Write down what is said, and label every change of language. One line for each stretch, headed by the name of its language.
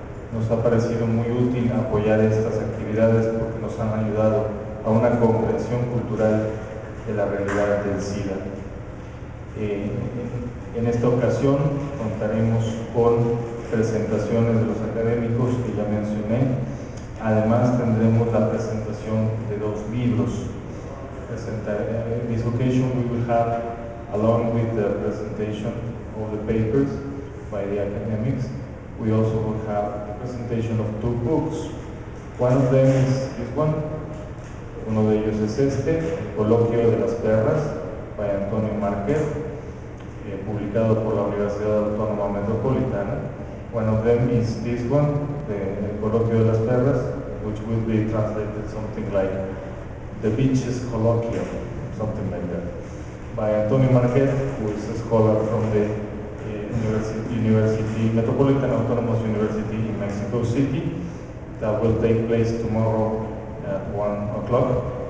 Spanish: Nos ha parecido muy útil apoyar estas actividades porque nos han ayudado a una comprensión cultural de la realidad del SIDA. En esta ocasión contaremos con presentaciones de los académicos que ya mencioné. Además tendremos la presentación de dos libros.
English: In this occasion we will have, along with the presentation of the papers by the academics, we also will have the presentation of two books. One of them is this one.
Spanish: Uno de ellos es este, El coloquio de las perras,
English: by Antonio Márquez,
Spanish: publicado por la Universidad Autónoma Metropolitana.
English: One of them is this one, El coloquio de las perras, which will be translated something like The Bitches Colloquium, something like that, by Antonio Márquez, who is a scholar from the University, Metropolitan Autonomous University in Mexico City, that will take place tomorrow at 1 o'clock.